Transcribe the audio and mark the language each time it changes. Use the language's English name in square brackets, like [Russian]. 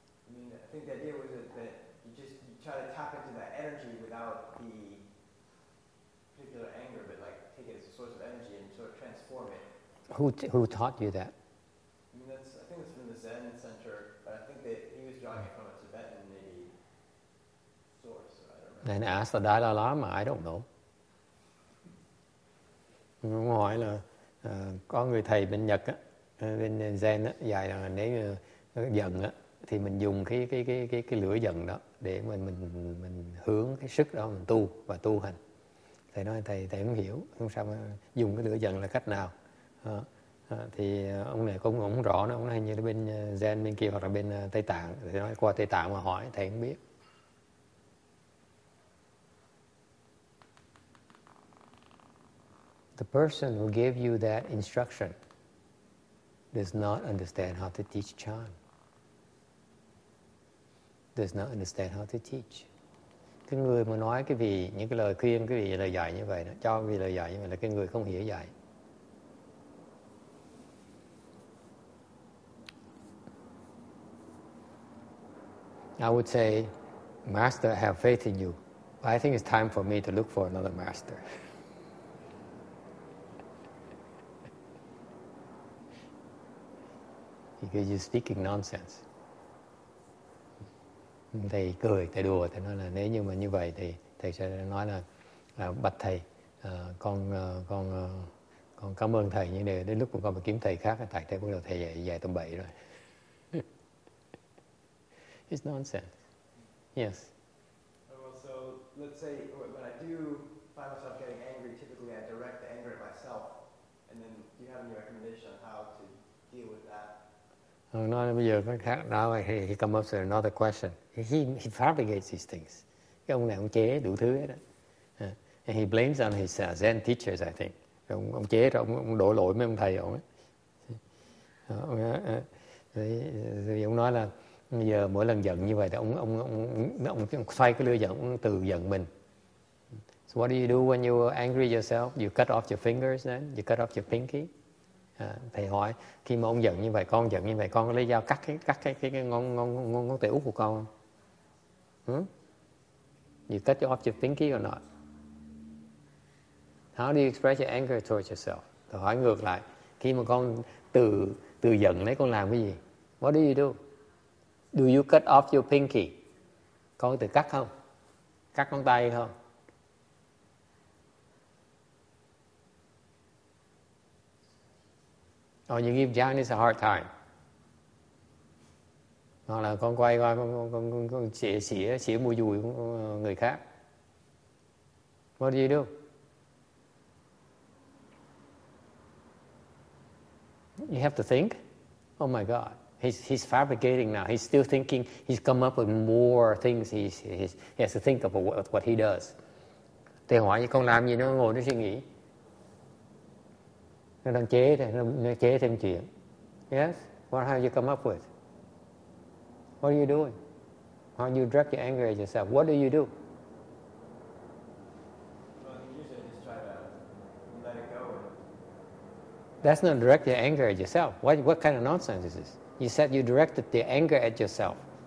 [English] I mean, I think the idea was that you try to tap into that energy without the particular anger, but like take it as a source of energy and sort of transform it. Who taught you that? I mean, I think it's from the Zen Center, but I think he was drawing it from a Tibetan maybe source. So I don't know. Then ask the Dalai Lama. I don't know. [Vietnamese] Mình hỏi là có người thầy bên Nhật á, bên Zen á, dạy là nếu giận á, thì mình dùng cái lửa giận đó để mình hướng cái sức đó mình tu và tu hành. Thầy nói thầy không hiểu, không sao mà dùng cái lửa giận là cách nào. Thì ông này cũng không rõ nữa, ông này như là bên Zen bên kia hoặc là bên Tây Tạng, thì nói qua Tây Tạng mà hỏi thầy không biết. [English] The person who gave you that instruction does not understand how to teach Chan. Does not understand how to teach. [Vietnamese] Cái người mà nói cái vị những cái lời khuyên cái vị lời dạy như vậy đó, cho cái vị lời dạy như vậy là cái người không hiểu dạy. [English] I would say, Master, I have faith in you. But I think it's time for me to look for another master. Because you're speaking nonsense. [Vietnamese] Thầy cười, thầy đùa, thầy nói là nếu như mà như vậy thì thầy sẽ nói là bạch thầy, con cảm ơn thầy, nhưng đến lúc mà con phải kiếm thầy khác, tại thầy bắt đầu thầy dạy tầm bậy rồi. [English] It's nonsense. Yes. Well, so let's say when I do find myself getting angry, typically I direct the anger at myself. And then do you have any recommendation on how to deal with that? [Vietnamese] Nói bây giờ cái khác đó, [English] he come up with another question. He fabricates these things. [Vietnamese] Cái ông này ông chế đủ thứ hết đó. [English] And he blames on his Zen teachers, I think. [Vietnamese] Ông chế rồi ông đổ lỗi mấy ông thầy ông ấy. Thì ông nói là bây giờ mỗi lần giận như vậy thì ông xoay cái lưỡi giận, ông từ giận mình. [English] So what do you do when you are angry yourself? You cut off your fingers then? You cut off your pinky? [Vietnamese] Thầy hỏi, khi mà ông giận như vậy, con giận như vậy, con có lấy dao cắt cái ngón tay út của con không? [English] You cut off your pinky or not? How do you express your anger towards yourself? [Vietnamese] Thầy hỏi ngược lại, khi mà con từ giận đấy, con làm cái gì? [English] What do you do? Do you cut off your pinky? [Vietnamese] Con có tự cắt không? Cắt ngón tay không? [English] Or you give Janice a hard time. [Vietnamese] Hoặc là con quay qua, con xỉa mùi dùi người khác. [English] What do you do? You have to think. Oh my God. He's fabricating now. He's still thinking. He's come up with more things. He has to think of what he does. [Vietnamese] Thầy hỏi con làm gì, nó ngồi nó suy nghĩ. Nó đang chế, nó chế thêm chuyện. [English] Yes? What have you come up with? What are you doing? How do you direct your anger at yourself? What do you do? Well, you usually just try to let it go. That's not direct your anger at yourself. What kind of nonsense is this? You said you directed the anger at yourself.